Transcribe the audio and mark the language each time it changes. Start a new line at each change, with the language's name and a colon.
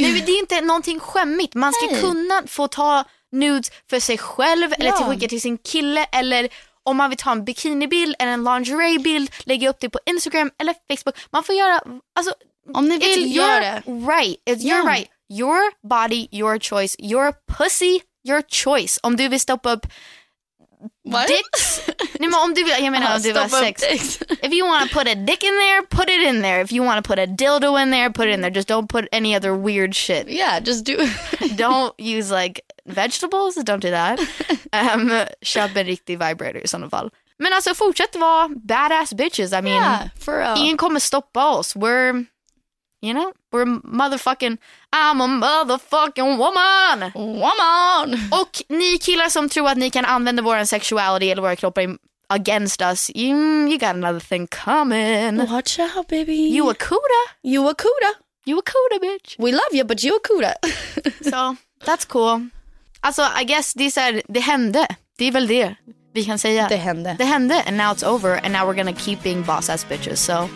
Swedish: Nej, det är inte någonting skämmigt. Man ska kunna få ta nudes för sig själv eller till skicka till sin kille, eller om man vill ta en bikinibild eller en lingeriebild, lägga upp det på Instagram eller Facebook. Man får göra, alltså, om ni vill göra det.
English: Right, it's your right. Your body, your choice. Your pussy, your choice.
Swedish: Om du vill stoppa upp dicks. Nej, men om du vill, jag menar om du vill ha sex.
English: If you want to put a dick in there, put it in there. If you want to put a dildo in there, put it in there. Just don't put any other weird shit. Yeah, just do. Don't use like vegetables, don't do that.
Swedish: Köp en riktig vibrator i sådana fall. Men alltså, fortsätt vara badass bitches.
English: I mean, yeah, for real.
Swedish: Ingen kommer stoppa oss.
English: We're, you know, we're motherfucking, I'm a motherfucking woman. Woman.
Swedish: Och ni killar som tror att ni kan använda vår sexuality eller vår kropp
English: against us, you got another thing coming. Watch out, baby. You a cuda. You a cuda. You a cuda, bitch. We love you, but you a cuda. So, that's cool.
Swedish: Alltså,
English: I guess
Swedish: det är det hände. Det är väl det vi kan säga. Det hände. Det hände,
English: and now it's over, and now we're gonna keep being boss-ass bitches, so...